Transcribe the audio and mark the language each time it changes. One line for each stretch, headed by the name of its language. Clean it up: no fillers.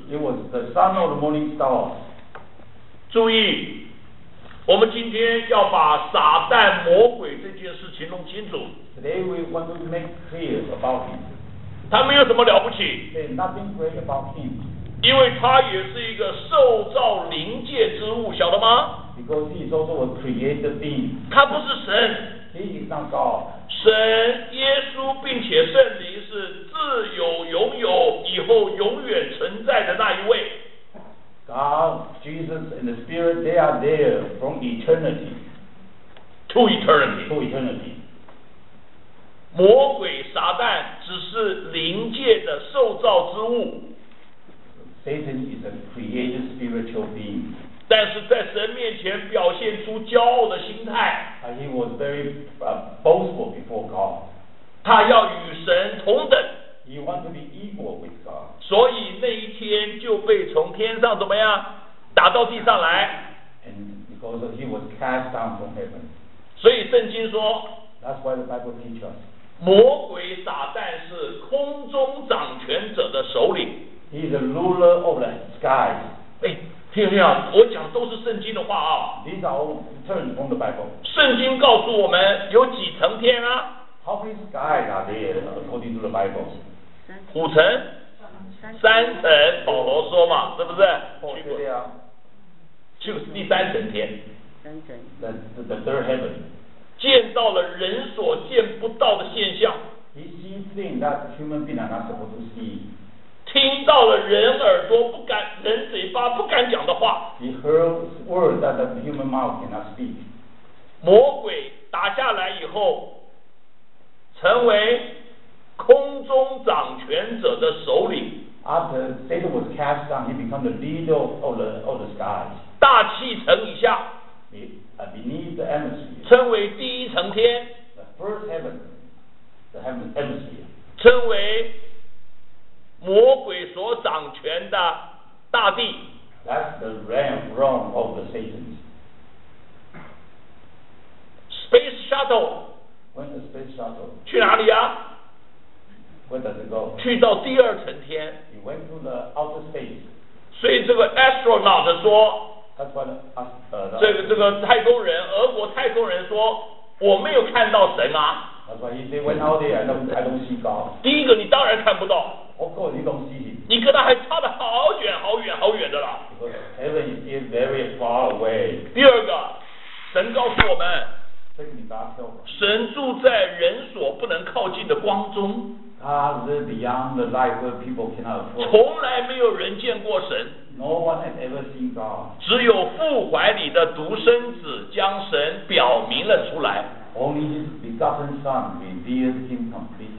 English: It was the sun of the morning star.
Chinese: 注意，我们今天要把撒旦魔鬼这件事情弄清楚。
English: Today we want to make clear about him.
Chinese: 他没有什么了不起。
English: Say nothing great about him.
Chinese: 因为他也是一个受造灵界之物，晓得吗？
English: Because he is also a created being.
Chinese: 他不是神。
English: He is not God.
Chinese: 神、耶稣并且圣灵是自有、拥有、以后永远存在的那一位。
English: God, Jesus and the Spirit, they are there from eternity. To eternity. To eternity.
Chinese: 魔鬼、撒旦只是灵界的受造之物。
English: Satan is a created spiritual being.
Chinese: 但是在神面前表现出骄傲的心态。
English: He was very boastful before God.
Chinese: 他要与神同等。
English: He wanted to be equal with God.
Chinese: 所以那一天就被从天上怎么样打到地上来。
English: And because he was cast down from heaven.
Chinese: 所以圣经说。
English: That's why the Bible teaches us.
Chinese: 魔鬼撒旦是空中掌权者的首领。
English: He's the ruler of the sky.
Chinese: 听听啊，我讲都是圣经的话啊。
English: These are all returns from the Bible.
Chinese: 圣经告诉我们有几层天啊。
English: How many skies are there according to the Bible?
Chinese: 五层？三层，保罗说嘛，是不是？对啊。就是第三层天。
English: The third heaven.
Chinese: 见到了人所见不到的现象。
English: He sees things that human beings are not supposed to see.
Chinese: 听到了人耳朵不敢、人嘴巴不敢讲的话。
English: He heard words that the human mouth cannot speak.
Chinese: 魔鬼打下来以后，成为空中掌权者的首领。
English: After Satan was cast down, he became the leader of the skies.
Chinese: 大气层以下。
English: Beneath the atmosphere.
Chinese: 称为第一层天。
English: The first heaven, the heaven atmosphere.
Chinese: 称为。魔鬼所掌权的大地。
English: That's the realm of the Satan. Space shuttle. When the space shuttle.
Chinese: 去哪里啊？
English: Where does it go?
Chinese: 去到第二层天。
English: He went to the outer space.
Chinese: 所以这个 astronaut 说。
English: That's what
Chinese: 这个太空人，俄国太空人说，我没有看到神啊。
English: That's why he went out there and I don't see God.
Chinese: 第一个你当然看不到。
English: Of course, you don't see him.
Chinese: 你跟他还差得好远好远好远的啦。
English: Heaven is very far away.
Chinese: 第二个，神告诉我们，神住在人所不能靠近的光中。
English: God lives beyond the light where people cannot approach.
Chinese: 从来没有人见过神。
English: No one has ever seen God.
Chinese: 只有父怀里的独生子将神表明了出来。
English: Only his begotten son reveals him completely.